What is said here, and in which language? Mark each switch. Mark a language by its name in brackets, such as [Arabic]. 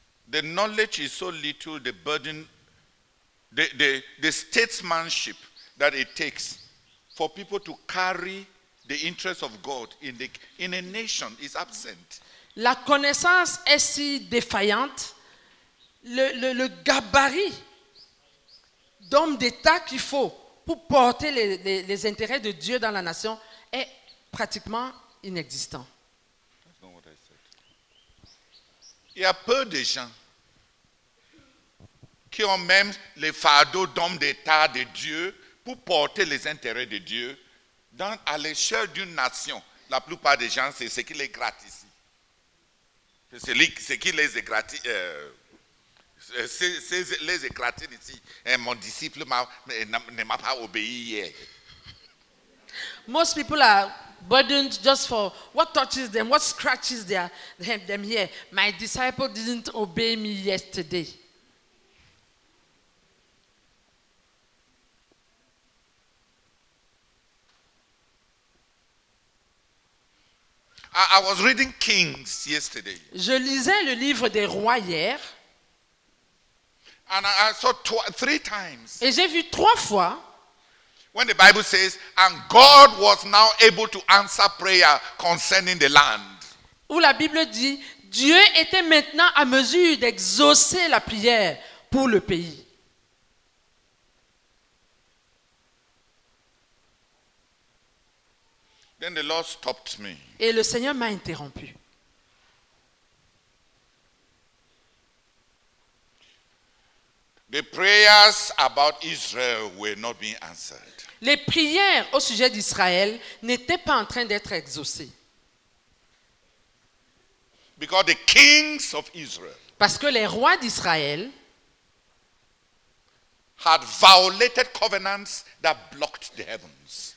[English] The knowledge is so little, the burden, the statesmanship that it takes for people to carry the interests of God in a nation is absent. [French] La connaissance est si défaillante. Le gabarit d'hommes d'État qu'il faut pour porter les intérêts de Dieu dans la nation est pratiquement inexistant. Il y a peu de gens qui ont même les fardeaux d'hommes d'État de Dieu pour porter les intérêts de Dieu à l'échelle d'une nation. La plupart des gens, c'est ce qui les gratte ici. C'est ce qui les gratte ici. C'est les éclatés ici. Et mon disciple ne m'a pas obéi hier. [English] Most people are burdened just for what touches them, what scratches them here. My disciple didn't obey me yesterday. I was reading Kings yesterday. [French] Je lisais le livre des rois hier. [English] And I saw three times. [French] Et j'ai vu trois fois. [English] When the Bible says, and God was now able to answer prayer concerning the land. [French] Où la Bible dit, Dieu était maintenant à mesure d'exaucer la prière pour le pays. [English] Then the Lord stopped me. [French] Et le Seigneur m'a interrompu. [English] The prayers about Israel were not being answered. [French] Les prières au sujet d'Israël n'étaient pas en train d'être exaucées. [English] Because the kings of Israel, [French] parce que les rois d'Israël, [English] had violated covenants that blocked the heavens.